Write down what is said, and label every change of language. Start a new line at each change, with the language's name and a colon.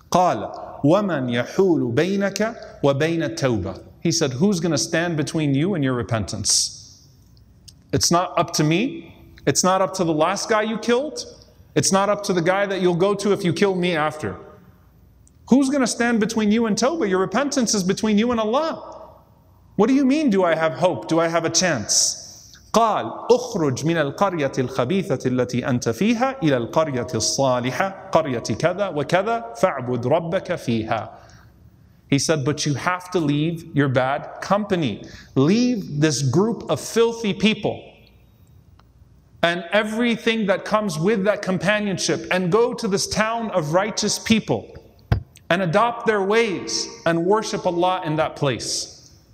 Arabic: قال وَمَنْ يَحُولُ بَيْنَكَ وَبَيْنَ التَّوْبَةِ
English: He said, who's going to stand between you and your repentance? It's not up to me. It's not up to the last guy you killed. It's not up to the guy that you'll go to if you kill me after. Who's going to stand between you and Tawbah? Your repentance is between you and Allah. What do you mean, do I have hope? Do I have a chance?
Arabic: قال أخرج من القرية الخبيثة التي أنت فيها إلى القرية الصالحة قرية كذا وكذا فاعبد ربك فيها.
English: He said, but you have to leave your bad company. Leave this group of filthy people and everything that comes with that companionship, and go to this town of righteous people and adopt their ways and worship Allah in that place.